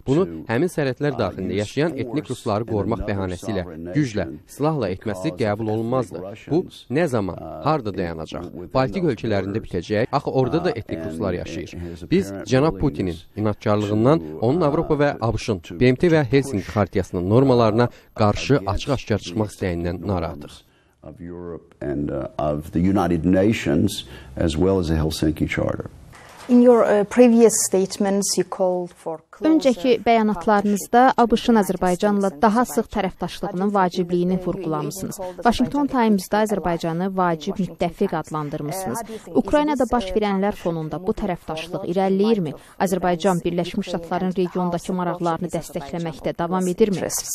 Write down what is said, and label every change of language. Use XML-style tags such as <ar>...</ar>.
<az>Bunu həmin sərhədlər daxilində yaşayan etnik rusları qorumaq bəhanəsi ilə, güclə, silahla etməsi qəbul olunmazdır. Bu, nə zaman, harda dayanacaq? Baltik ölkələrində bitəcək, axı orada da etnik ruslar yaşayır. Biz, cənab Putinin inadkarlığından, onun Avropa və ABŞ-ın, BMT və Helsinki xartiyasının normalarını, qarşı açıq-aşkar çıxmaq istəyindən narahatıq.</az> <en>Of Europe and of the United Nations as well as the Helsinki Charter. In your previous statements you called for</en> <az>Öncəki bəyanatlarınızda ABŞ-ın Azərbaycanla daha sıx tərəfdaşlığının vacibliyini vurgulamışsınız. Washington Times-da Azərbaycanı vacib müttəfiq adlandırmışsınız. Ukraynada baş verənlər fonunda bu tərəfdaşlıq irəliləyirmi? Azərbaycan Birləşmiş Ştatların regiondakı maraqlarını dəstəkləməkdə davam edirmi?</az>